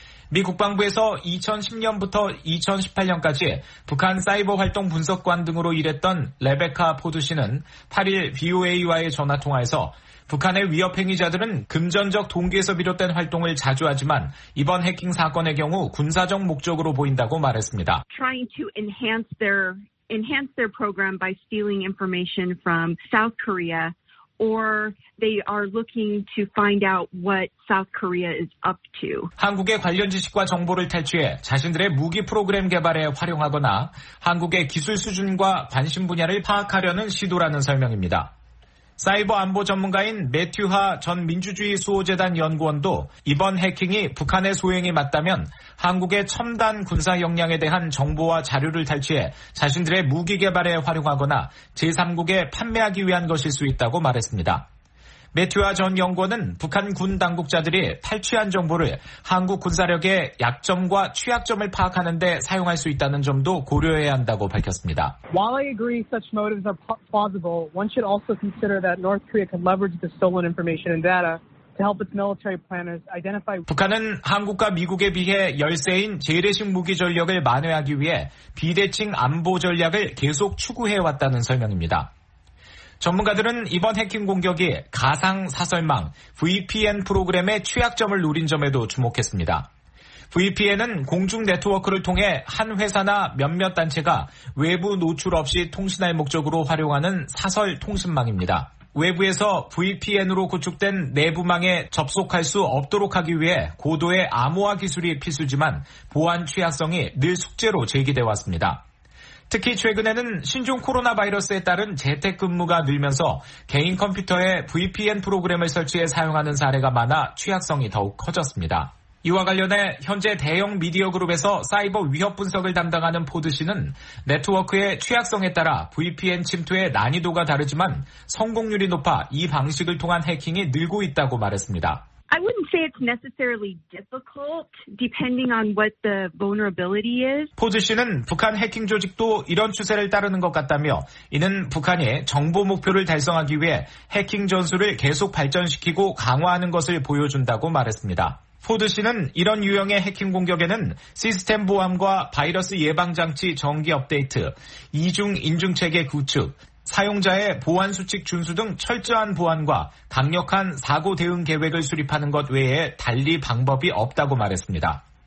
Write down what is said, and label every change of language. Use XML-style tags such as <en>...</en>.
<ko>미 국방부에서 2010년부터 2018년까지 북한 사이버 활동 분석관 등으로 일했던 레베카 포드 씨는 8일 VOA와의 전화통화에서 북한의 위협 행위자들은 금전적 동기에서 비롯된 활동을 자주 하지만 이번 해킹 사건의 경우 군사적 목적으로 보인다고 말했습니다.</ko> <en>Trying to enhance their program by stealing information from South Korea, or they are looking to find out what South Korea is up to.</en> <ko>한국의 관련 지식과 정보를 탈취해 자신들의 무기 프로그램 개발에 활용하거나 한국의 기술 수준과 관심 분야를 파악하려는 시도라는 설명입니다. 사이버 안보 전문가인 매튜 하 전 민주주의 수호재단 연구원도 이번 해킹이 북한의 소행이 맞다면 한국의 첨단 군사 역량에 대한 정보와 자료를 탈취해 자신들의 무기 개발에 활용하거나 제3국에 판매하기 위한 것일 수 있다고 말했습니다. 매튜 하 전 연구원은 북한 군 당국자들이 탈취한 정보를 한국 군사력의 약점과 취약점을 파악하는 데 사용할 수 있다는 점도 고려해야 한다고 밝혔습니다.</ko> <en>While I agree such motives are plausible, one should also consider that North Korea could leverage the stolen information and data to help its military planners identify.</en> <ko>북한은 한국과 미국에 비해 열세인 재래식 무기 전력을 만회하기 위해 비대칭 안보 전략을 계속 추구해왔다는 설명입니다. 전문가들은 이번 해킹 공격이 가상 사설망 VPN 프로그램의 취약점을 노린 점에도 주목했습니다. VPN은 공중 네트워크를 통해 한 회사나 몇몇 단체가 외부 노출 없이 통신할 목적으로 활용하는 사설 통신망입니다. 외부에서 VPN으로 구축된 내부망에 접속할 수 없도록 하기 위해 고도의 암호화 기술이 필수지만 보안 취약성이 늘 숙제로 제기돼 왔습니다. 특히 최근에는 신종 코로나 바이러스에 따른 재택근무가 늘면서 개인 컴퓨터에 VPN 프로그램을 설치해 사용하는 사례가 많아 취약성이 더욱 커졌습니다. 이와 관련해 현재 대형 미디어 그룹에서 사이버 위협 분석을 담당하는 포드 씨는 네트워크의 취약성에 따라 VPN 침투의 난이도가 다르지만 성공률이 높아 이 방식을 통한 해킹이 늘고 있다고 말했습니다.</ko> <en>I wouldn't say it's necessarily difficult depending on what the vulnerability is.</en> <ko>포드 씨는 북한 해킹 조직도 이런 추세를 따르는 것 같다며 이는 북한이 정보 목표를 달성하기 위해 해킹 전술을 계속 발전시키고 강화하는 것을 보여준다고 말했습니다. 포드 씨는 이런 유형의 해킹 공격에는 시스템 보안과 바이러스 예방 장치 정기 업데이트, 이중 인증 체계 구축, 사용자의 보안 수칙 준수 등 철저한 보안과 강력한 사고 대응 계획을 수립하는 것 외에 달리 방법이 없다고 말했습니다.</ko>